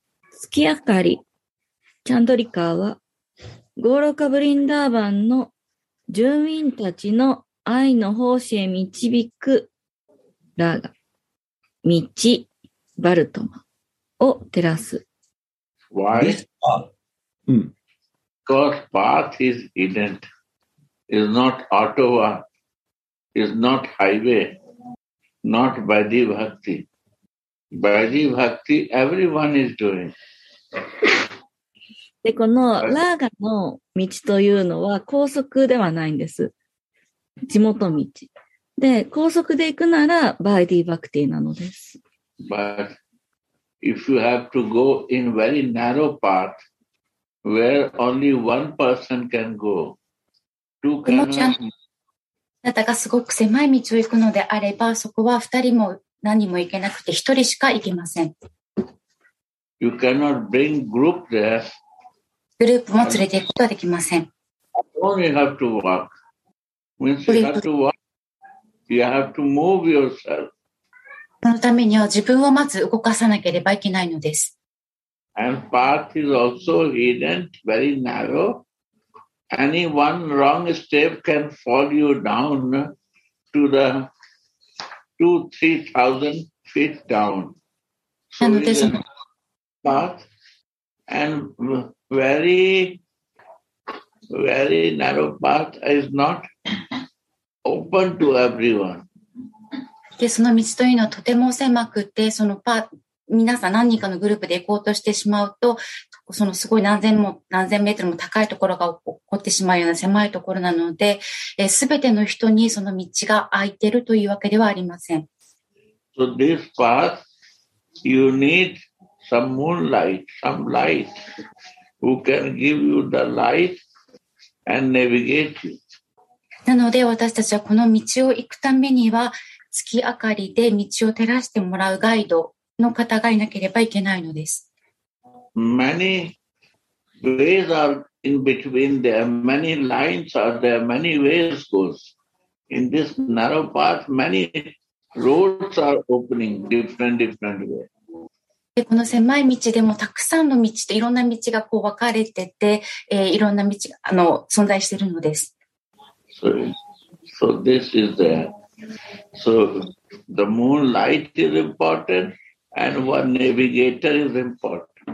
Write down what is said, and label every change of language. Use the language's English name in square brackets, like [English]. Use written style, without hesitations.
[Japanese] 月明かり、チャンドリカは、ゴロカ・ブリンダーバンの住民たちの愛の奉仕へ導くラーガ、道、バルトマを照らす。 [English] Why? Because path is hidden, is not autova, is not highway, not Vaidhi Bhakti. Vaidhi Bhakti everyone is doing. [Japanese] で、このラーガの道というのは高速ではないんです。地元道で高速で行くならバイディバクティなのです。 [English] But if you have to go in very narrow path, where only one person can go. Two cannot. [Japanese] だからすごく狭い道を行くのであれば、そこは二人も何も行けなくて、一人しか行けません。 [English] You cannot bring group there. [Japanese] グループも連れて行くことはできません。 [English] Only have to walk. When you have to walk, you have to move yourself. [Japanese] そのためには自分をまず動かさなければいけないのです。 [English] And path is also hidden, very narrow. Any one wrong step can fall you down to the 2,000-3,000 feet down. [Japanese] So なのでその [English] path and very, very narrow path is not open to everyone. [Japanese] でその道というのはとても狭くて、そのパ皆さん何人かのグループで行こうとしてしまうと、そのすごい何千メートルも高いところが起こってしまうような狭いところなので、すべての人にその道が空いているというわけではありません。 [English] So this path, you need some moonlight, some light, who can give you the light and navigate you. [Japanese] なので私たちはこの道を行くためには、月明かりで道を照らしてもらうガイドの方がいなければいけないのです。 [English] Many ways are in between there, many lines are there, many ways goes. In this narrow path, many roads are opening different, different ways. [Japanese] でこの狭い道でもたくさんの道といろんな道がこう分かれてて、いろんな道があの存在しているのです。 [English] So this is the... So the moonlight is important and one navigator is important.